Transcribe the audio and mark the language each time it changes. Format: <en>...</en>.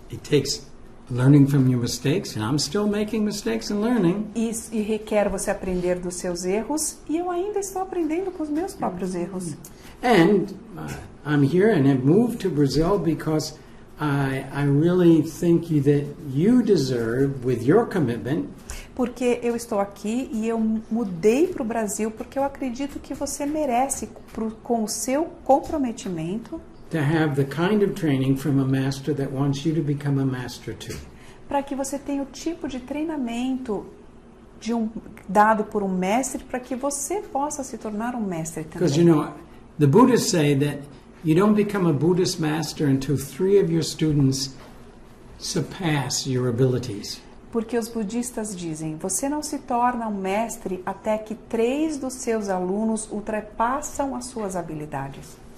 <en>It takes learning from your mistakes, and I'm still making mistakes and learning.</en> <pt>Isso, e requer você aprender dos seus erros, e eu ainda estou aprendendo com os meus próprios erros.</pt> <en>And I'm here and have moved to Brazil because I really think that you deserve, with your commitment.</en> <pt>Porque eu estou aqui e eu mudei para o Brasil porque eu acredito que você merece, com o seu comprometimento,</pt> <en>kind of</en> <pt>para que você tenha o tipo de treinamento de dado por um mestre para que você possa se tornar um mestre também.</pt> <en>Because, you know, the Buddhists say that you don't become a Buddhist master until three of your students surpass your abilities.</en> <pt>Porque os budistas dizem, você não se torna um mestre até que três dos seus alunos ultrapassam as suas habilidades.</pt>